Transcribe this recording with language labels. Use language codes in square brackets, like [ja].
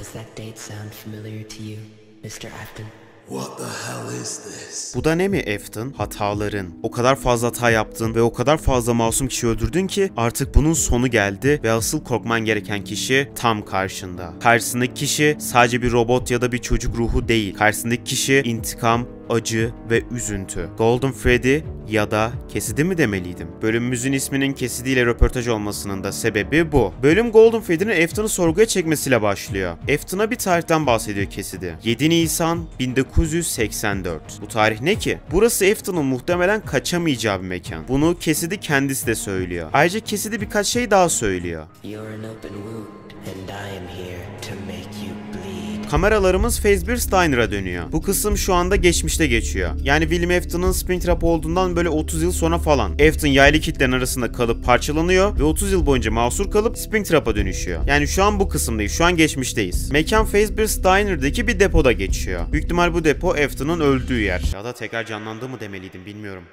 [en] Does that date sound familiar to you, Mr. Afton? What the hell is this? [tr] Bu da ne mi Afton? Hataların. O kadar fazla hata yaptın ve o kadar fazla masum kişi öldürdün ki artık bunun sonu geldi ve asıl korkman gereken kişi tam karşında. Karşısındaki kişi sadece bir robot ya da bir çocuk ruhu değil. Karşısındaki kişi intikam, acı ve üzüntü. Golden Freddy ya da Cassidy mi demeliydim? Bölümümüzün isminin Cassidy ile röportaj olmasının da sebebi bu. Bölüm Golden Freddy'nin Afton'u sorguya çekmesiyle başlıyor. Afton'a bir tarihten bahsediyor Cassidy. 7 Nisan 1984. Bu tarih ne ki? Burası Afton'un muhtemelen kaçamayacağı bir mekan. Bunu Cassidy kendisi de söylüyor. Ayrıca Cassidy birkaç şey daha söylüyor. [en] You're an open wound and I am here to make you bleed. [tr] Kameralarımız Fazbear Steiner'a dönüyor. Bu kısım şu anda geçmişte geçiyor. Yani William Afton'un Springtrap olduğundan böyle 30 yıl sonra falan. Afton yaylı kitlenin arasında kalıp parçalanıyor ve 30 yıl boyunca mahsur kalıp Springtrap'a dönüşüyor. Yani şu an bu kısımdayız, şu an geçmişteyiz. Mekan Fazbear Steiner'daki bir depoda geçiyor. Büyük ihtimal bu depo Afton'un öldüğü yer. Ya da tekrar canlandığı mı demeliydim bilmiyorum.